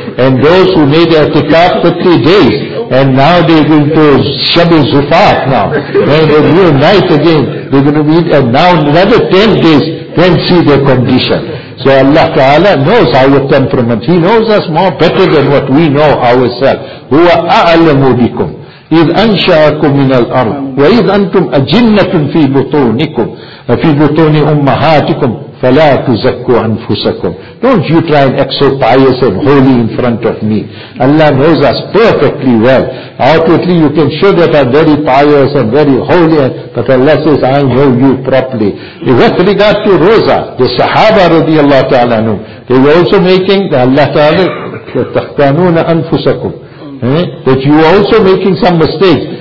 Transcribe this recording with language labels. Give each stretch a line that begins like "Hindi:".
English: And those who made the tikaf 50 days, and now they are going to Shabi Zufat now. And a new night again, they are going to be, and now another 10 days, then see their condition. So Allah Ta'ala knows our temperament. He knows us more better than what we know ourselves.
Arabic: Huwa a'lamu bikum. إذ أنشأكم من الأرض وإذ أنتم أجنة في بطونكم في بطون أمهاتكم فلا تزكوا أنفسكم.
English: Don't you try and act so pious and holy in front of me. Allah knows us perfectly well. Outwardly you can show that I'm very pious and very holy, but Allah says I know you properly. With regard to Roza, the Sahaba radiallahu ta'ala anhum, they were also making the Allah ta'ala
Arabic: تَخْتَانُونَ أَنفُسَكُمْ
English: that you are also making some mistakes.